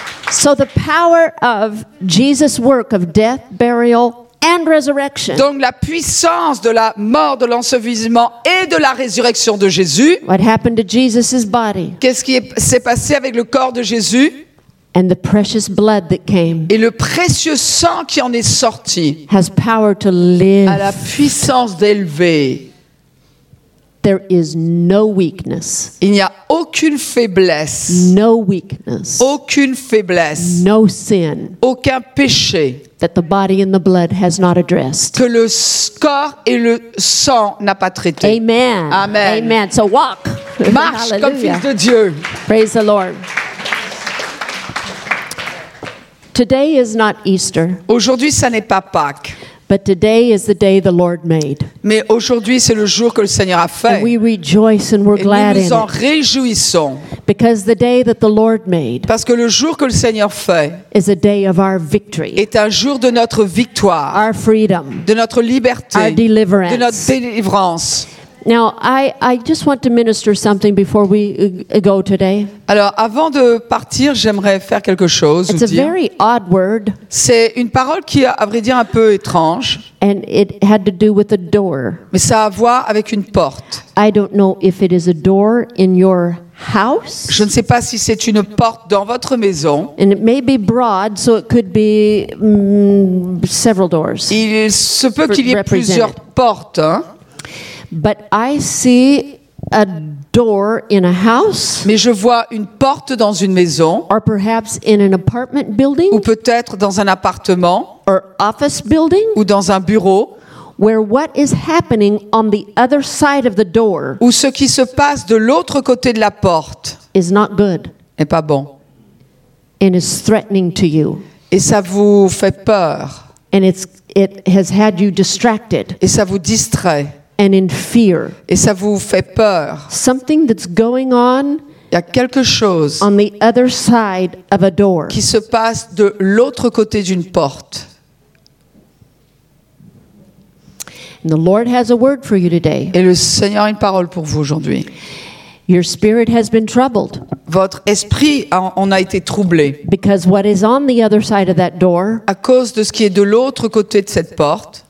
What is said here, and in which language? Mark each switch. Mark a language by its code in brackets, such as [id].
[en] So the power of Jesus' work of death, burial, and resurrection. [fr] Donc la puissance de la mort, de l'ensevelissement et de la résurrection de Jésus. [en] What happened to Jesus's body? [fr] Qu'est-ce qui s'est passé avec le corps de Jésus? [en] And the precious blood that came. [fr] Et le précieux sang qui en est sorti. [en] Has power to live. [fr] A la puissance d'élever. [en] There is no weakness. [fr] Il n'y a aucune faiblesse. [en] No weakness. [fr] Aucune faiblesse. [en] No sin. [fr] Aucun péché. [en] That the body and the blood has not addressed. [fr] Que le corps et le sang n'a pas traité. [en] Amen. [fr] Amen. [en] Amen. So walk. [fr] Marche comme fils de Dieu. [en] Praise the Lord. Today is not Easter. [fr] Aujourd'hui, ça n'est pas Pâques. [en] But today is the day the Lord made. [fr] Mais aujourd'hui, c'est le jour que le Seigneur a fait. [en] And we rejoice and we're glad in it. [fr] Et nous nous en réjouissons. [en] Because the day that the Lord made. [fr] Parce que le jour que le Seigneur fait. [en] Is a day of our victory. [fr] Est un jour de notre victoire. [en] Our freedom. [fr] De notre liberté. [en] Our deliverance. [fr] De notre délivrance. [en] Now, I just want to minister something before we go today. [fr] Alors, avant de partir, j'aimerais faire quelque chose. [en] It's a very odd word. [fr] C'est une parole qui est, à vrai dire, un peu étrange. [en] And it had to do with a door. [fr] Mais ça a à voir avec une porte. [en] I don't know if it is a door in your house. [fr] Je ne sais pas si c'est une porte dans votre maison. [en] And it may be broad, so it could be several doors. [fr] Il se peut qu'il y ait plusieurs portes, hein. [en] But I see a door in a house. [fr] Mais je vois une porte dans une maison. [en] Or perhaps in an apartment building. [fr] Ou peut-être dans un appartement. [en] Or office building. [fr] Ou dans un bureau. [en] Where what is happening on the other side of the door. [fr] Où ce qui se passe de l'autre côté de la porte. [en] Is not good. [fr] N'est pas bon. [en] And is threatening to you. [fr] Et ça vous fait peur. [en] And it has had you distracted. [fr] Et ça vous distrait. [en] And in fear. [fr] Et ça vous fait peur. [en] Something that's going on. [fr] Il y a quelque chose. [en] On the other side of a door. [fr] Qui se passe de l'autre côté d'une porte. [en] And the Lord has a word for you today. [fr] Et le Seigneur a une parole pour vous aujourd'hui. [en] Your spirit has been troubled. [fr] Votre esprit en a été troublé. [en] Because what is on the other side of that door. [fr] À cause de ce qui est de l'autre côté de cette porte.